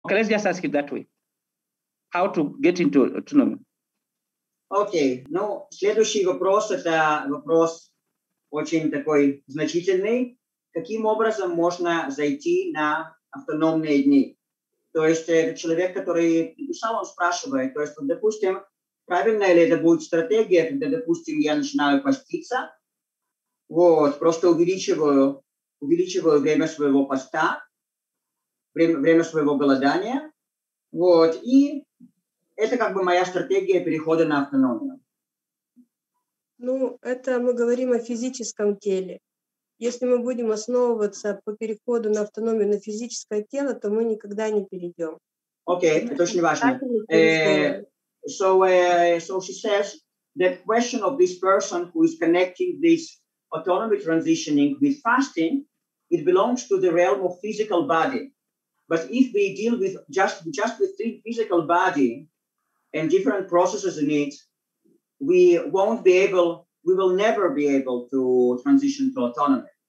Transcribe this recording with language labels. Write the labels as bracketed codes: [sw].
[en] Okay, let's just ask it that way. How to get into autonomy? [ru] Окей, ну, следующий вопрос, это вопрос очень такой значительный. Каким образом можно зайти на автономные дни? То есть человек, который сам спрашивает, то есть, допустим, правильно ли это будет стратегия, когда, допустим, я начинаю поститься, вот, просто увеличиваю время своего поста, время своего голодания, вот, и... Это как бы моя стратегия перехода на автономию. Ну, это мы говорим о физическом теле. Если мы будем основываться по переходу на автономию на физическое тело, то мы никогда не перейдем. Окей, это очень важно. [en] So she says, the question of this person who is connecting this autonomy transitioning with fasting, it belongs to the realm of physical body. But if we deal with just with the physical body, and different processes in it, we will never be able to transition to autonomy.